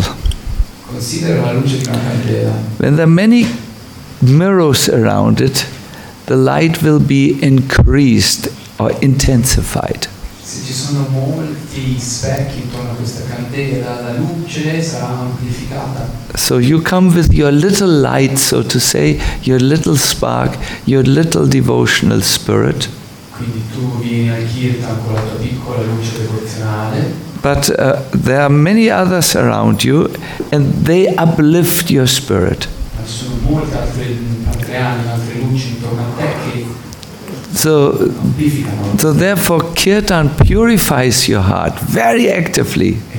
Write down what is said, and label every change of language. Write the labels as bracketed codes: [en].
[en] When there are many mirrors around it, the light will be increased or intensified. [it] Se ci sono molti specchi intorno a questa candela, la luce sarà amplificata. [en] So you come with your little light, so to say, your little spark, your little devotional spirit. [it] Quindi tu vieni al kirtan con la tua piccola luce devozionale. [en] But there are many others around you, and they uplift your spirit. [it] Ma ci sono molte altre anime, altre luci intorno a te che... [en] So therefore kirtan purifies your heart very actively.